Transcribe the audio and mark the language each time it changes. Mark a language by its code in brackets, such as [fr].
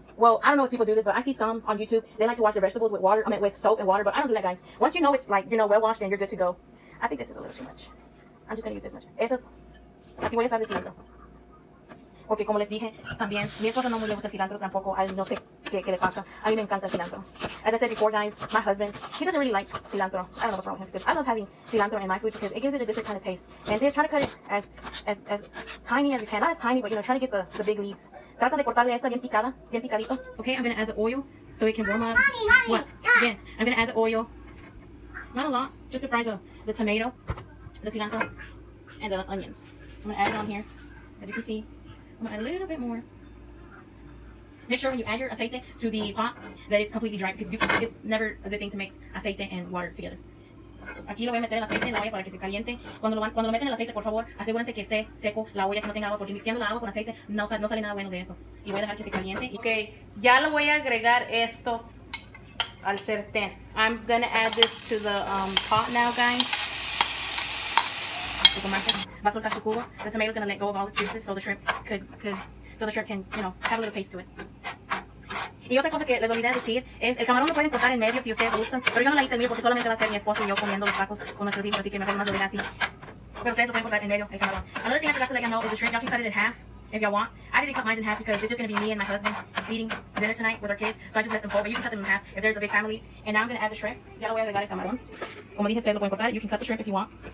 [en] Well, I don't know if people do this, but I see some on YouTube. They like to wash their vegetables with water, I mean, with soap and water, but I don't do that, guys. Once you know it's, like, you know, well-washed, then you're good to go. I think this is a little too much. I'm just gonna use this much. [es] Eso es. Así voy a usar el cilantro. Porque, como les dije, también, mi esposa no le gusta el cilantro tampoco. Al no sé qué le pasa. A mí me encanta el cilantro. [en] As I said before, guys, my husband, he doesn't really like cilantro. I don't know what's wrong with him, because I love having cilantro in my food, because it gives it a different kind of taste. And just try to cut it as tiny as you can. Not as tiny, but, you know, try to get the big leaves. [es] Trata de cortarle esta bien picada, bien picadito. [en] Okay, I'm gonna add the oil so it can warm up. Mommy, what? God. Yes, I'm gonna add the oil. Not a lot, just to fry the tomato, the cilantro, and the onions. I'm gonna add it on here. As you can see, I'm gonna add a little bit more. Make sure when you add your aceite to the pot that it's completely dry, because it's never a good thing to mix aceite and water together. [es] Aquí lo voy a meter el aceite en la olla para que se caliente. Cuando lo meten el aceite, por favor, asegúrense que esté seco la olla, que no tenga agua, porque mixiando la agua con aceite no sale nada bueno de eso. Y voy a dejar que se caliente. Ok, ya lo voy a agregar esto al sartén. [en] I'm gonna add this to the pot now, guys. [es] Va a soltar su cubo. [en] The tomato is gonna let go of all the juices so the shrimp so the shrimp can, you know, have a little taste to it. [es] Y otra cosa que les olvidé decir es, el camarón lo pueden cortar en medio si ustedes gustan, pero yo no la hice el mío porque solamente va a ser mi esposo y yo comiendo los tacos con nuestros hijos, así que mejor más lo diré así. Pero ustedes lo pueden cortar en medio, el camarón. [en] Another thing I forgot to let you know is the shrimp. Y'all can cut it in half if y'all want. I didn't cut mine in half because it's just going to be me and my husband eating dinner tonight with our kids, so I just left them whole, but you can cut them in half if there's a big family. And now I'm going to add the shrimp. [es] Ya lo voy a agregar el camarón. Como dije, ustedes lo pueden cortar. [en] You can cut the shrimp if you want.